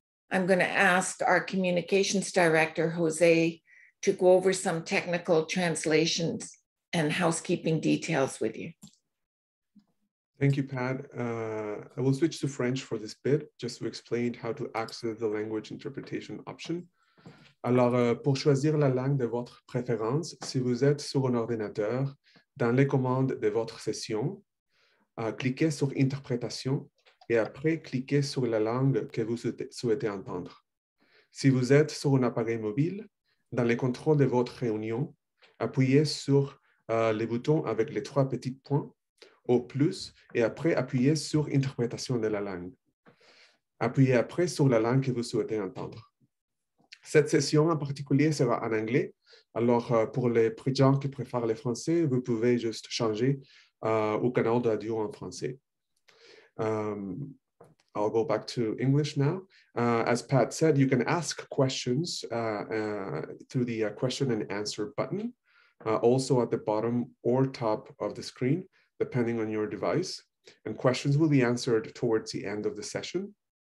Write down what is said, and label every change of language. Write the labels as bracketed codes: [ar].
[en] I'm going to ask our communications director, Jose, to go over some technical translations and housekeeping details with you. Thank you, Pat. I will switch to French for this bit, just to explain how to access the language interpretation option. [fr] Alors, pour choisir la langue de votre préférence, si vous êtes sur un ordinateur, dans les commandes de votre session, cliquez sur Interprétation et après, cliquez sur la langue que vous souhaitez entendre. Si vous êtes sur un appareil mobile, dans les contrôles de votre réunion, appuyez sur les boutons avec les trois petits points au plus et après appuyez sur Interprétation de la langue. Appuyez après sur la langue que vous souhaitez entendre. Cette session en particulier sera en anglais. Alors, pour les gens qui préfèrent le français, vous pouvez juste changer au canal d'audio en français. [en] I'll go back to English now. As Pat said, you can ask questions through the question and answer button, also at the bottom or top of the screen, depending on your device, and questions will be answered towards the end of the session.